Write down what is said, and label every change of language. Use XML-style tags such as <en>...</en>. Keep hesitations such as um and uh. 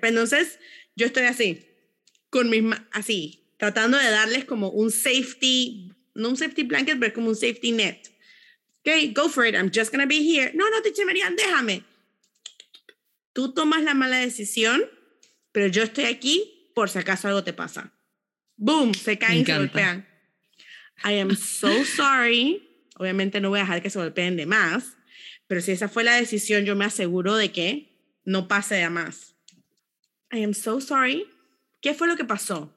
<es>Pero entonces yo estoy así, con mis así, tratando de darles como un safety, no un safety blanket, pero como un safety net.</es> <en>Ok, go for it, I'm just gonna be here.</en> <es>No, no, te Marian, déjame. Tú tomas la mala decisión, pero yo estoy aquí por si acaso algo te pasa. Boom, se caen y se golpean.</es> <en>I am so sorry.</en> <es>Obviamente no voy a dejar que se golpeen de más, pero si esa fue la decisión, yo me aseguro de que no pase de más.</es> <en>I am so sorry.</en> <es>¿Qué fue lo que pasó?</es>